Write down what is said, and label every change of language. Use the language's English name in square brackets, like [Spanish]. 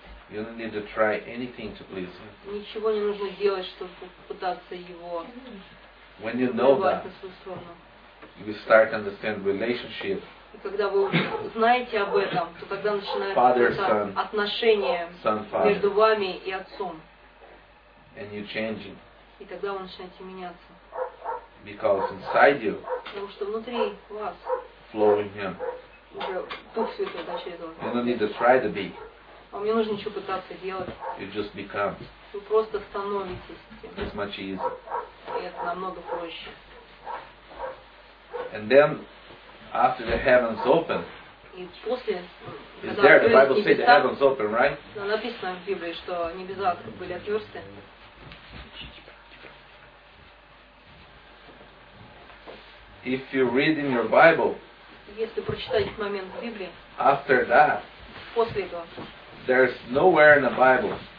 [English] You don't need to try anything to please him. [Russian] Ничего не нужно делать, чтобы пытаться его. [English] When you know that, you start understand relationship. [Russian] И когда вы знаете об этом, то тогда начинается отношение между вами и отцом. [English] And you're changing. [Russian] И тогда вы начинаете меняться. [English] Because inside you. [Russian] Потому что внутри вас. [English] Flowing him. [Russian] Дух Святой, да, через вас. [English] You don't need to try to be. [Russian] Вам не нужно ничего пытаться делать. [English] You just become. [Russian] Вы просто становитесь. [English] It's much easier. [Russian] И это намного проще. [English] And then. After the heavens open. [Russian] После, [English] is there the Bible says the heavens open, right? [Russian] Написано в Библии, что небеса были отверсты. [English] If you read in your Bible. [Russian] Если прочитать момент в Библии. [English] After that. [Russian] После этого. [English] There's nowhere in the Bible.